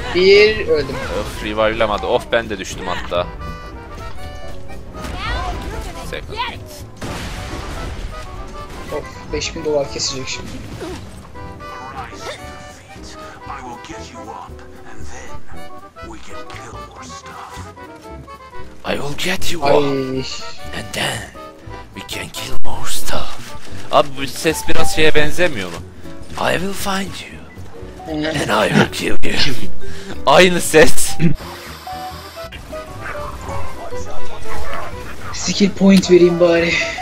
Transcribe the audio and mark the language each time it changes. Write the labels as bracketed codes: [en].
[tr] 1 öldüm. Of revive'lamadı. Of ben de düştüm hatta. [en] Second hit. [tr] Of 5000 dolar kesecek şimdi. [en] I will get you up and then we can kill more stuff. I will get you up. And then we can kill more stuff. [tr] Abi bu ses biraz şeye benzemiyor mu? [en] I will find you. And I will kill you. [tr] Aynı ses. Skill point vereyim bari.